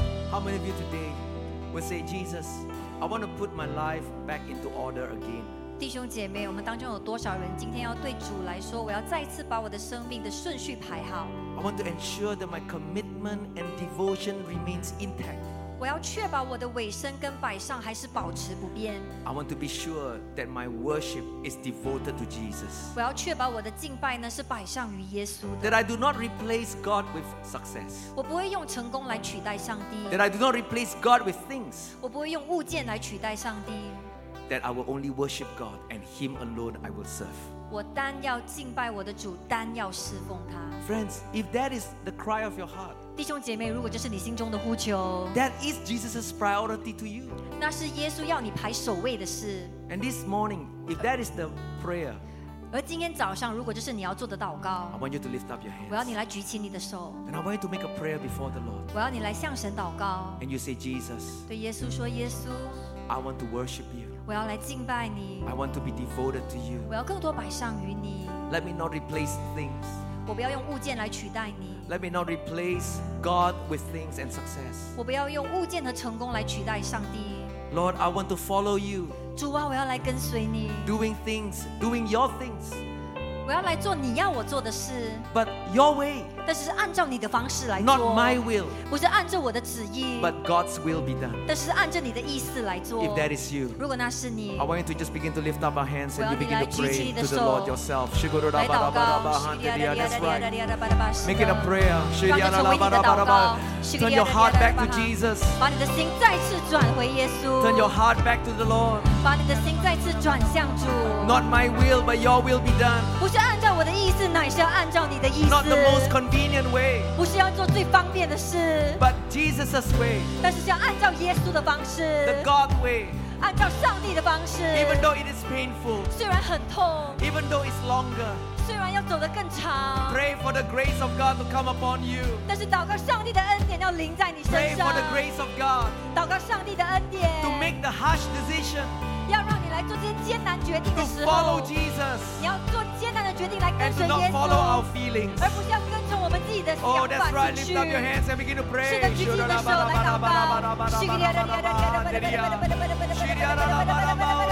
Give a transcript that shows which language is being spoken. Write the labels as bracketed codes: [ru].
[en] How many of you today will say, Jesus, I want to put my life back into order again? [zh] 弟兄姐妹，我们当中有多少人今天要对主来说，我要再次把我的生命的顺序排好？ [en] I want to ensure that my commitment and devotion remains intact. [zh] 我要确保我的委身跟摆上还是保持不变。 [en] I want to be sure that my worship is devoted to Jesus. [zh] 我要确保我的敬拜呢是摆上于耶稣的。 [en] That I do not replace God with success. [zh] 我不会用成功来取代上帝。 [en] That I do not replace God with things. [zh] 我不会用物件来取代上帝。 [en] That I will only worship God and Him alone I will serve. [zh] 我单要敬拜我的主，单要侍奉他。 [en] Friends, if that is the cry of your heart, [zh] 弟兄姐妹，如果这是你心中的呼求， [en] that is Jesus's priority to you. [zh] 那是耶稣要你排首位的事。 [en] And this morning, if that is the prayer, [zh] 而今天早上，如果这是你要做的祷告， [en] I want you to lift up your hands. [zh] 我要你来举起你的手。 [en] And I want you to make a prayer before the Lord. [zh] 我要你来向神祷告。 [en] And you say, Jesus, [zh] 对耶稣说，耶稣。 [en] I want to worship you. [zh] 我要来敬拜你。 [en] I want to be devoted to you. [zh] 我要更多摆上于你。 [en] Let me not replace things. [zh] 我不要用物件来取代你。 [en] Let me not replace God with things and success. [zh] 我不要用物件和成功来取代上帝。 [en] Lord, I want to follow you. [zh] 主啊，我要来跟随你。 [en] Doing things, doing your things. [zh] 我要来做你要我做的事。 [en] But your way. [zh] 但是按照你的方式来做。 [en] Not my will. [zh] 不是按照我的旨意。 [en] But God's will be done. [zh] 但是按照你的意思来做。 [en] If that is you. [zh] 如果那是你。 [en] I want you to just begin to lift up our hands and you begin to pray to the Lord yourself. [zh] 来祷告。 [en] That's right. Make it a prayer. [zh] 让这成为你的祷告。 [en] Turn your heart back to Jesus. [zh] 把你的心再次转回耶稣。 [en] Turn your heart back to the Lord. [zh] 把你的心再次转向主。 [en] Not my will, but your will be done. [zh] 不是按照我的意思，乃是要按照你的意思。 [en] Not the most convenient way. [zh] 不是要做最方便的事。 [en] But Jesus's way. [zh] 但是要按照耶稣的方式。 [en] The God way. [zh] 按照上帝的方式。 [en] Even though it is painful. [zh] 虽然很痛。 [en] Even though it's longer. [zh] 虽然要走得更长。 [en] Pray for the grace of God to come upon you. [zh] 但是祷告上帝的恩典要临在你身上。 [en] Pray for the grace of God. [zh] 祷告上帝的恩典。 [en] To make the harsh decision. [zh] 要让你来做这些艰难决定的时候 [en] to follow Jesus, [zh] 你要做艰难的决定来跟随耶稣 [en] and to not follow our feelings. [zh] 而不是要跟从我们自己的想法 [en] oh, that's right, lift up your hands and begin to pray. [zh] 是的，举起你的手来祷告。是的，举起你的手来祷告。是的，举起你的手来祷告。